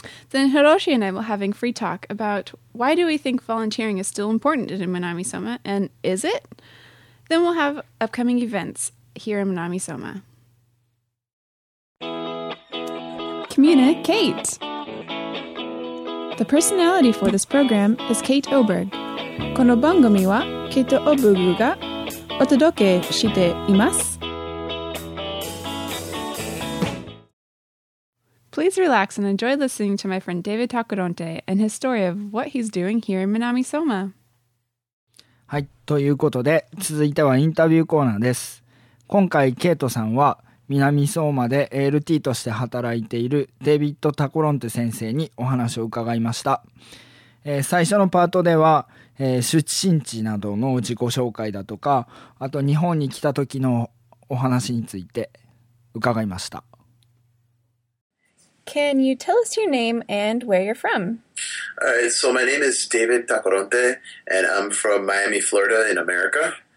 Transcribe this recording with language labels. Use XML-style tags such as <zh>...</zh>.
<en>Then Hiroshi and I were having free talk about why do we think volunteering is still important in Minami-sama, and is it? Then we'll have upcoming events here in Minami-sama. Communicate! The personality for this program is Kate Oberg.</en> <ja>この番組はケイト・オブグがお届けしています。</ja> <en>Please relax and enjoy listening to my friend David Takuronte and his story of what he's doing here in Minami-sama.</en> <ja>はい、ということで続いてはインタビューコーナーです。今回ケイトさんは Minami-sama で ALT として働いているデビッド・タコロンテ先生にお話を伺いました。最初のパートでは、出身地などの自己紹介だとか、あと日本に来た時のお話について伺いました。</ja> <en>Can you tell us your name and where you're from? So my name is David Takoronte, and I'm from Miami, Florida in America.</en>